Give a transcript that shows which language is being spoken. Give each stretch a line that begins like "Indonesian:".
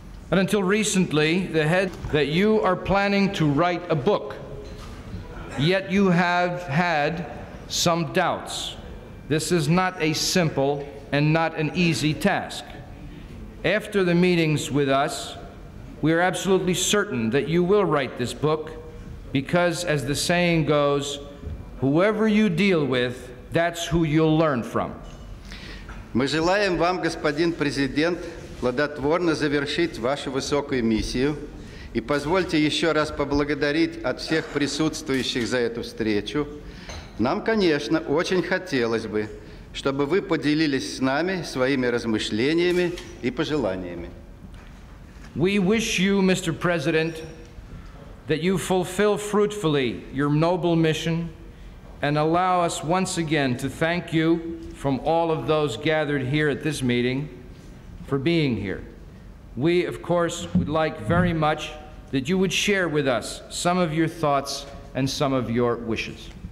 English: And until recently, the head that you are planning to write a book, yet you have had some doubts. This is not a simple and not an easy task. After the meetings with us, we are absolutely certain that you will write this book, because as the saying goes, whoever you deal with, that's who you'll learn from.
Russian: Мы желаем вам, господин президент, плодотворно завершить вашу высокую миссию. И позвольте еще раз поблагодарить от всех присутствующих за эту встречу. Нам, конечно, очень хотелось бы, чтобы вы поделились с нами своими размышлениями и пожеланиями.
English: We wish you, Mr. President, that you fulfill fruitfully your noble mission and allow us once again to thank you from all of those gathered here at this meeting for being here. We, of course, would like very much that you would share with us some of your thoughts and some of your wishes.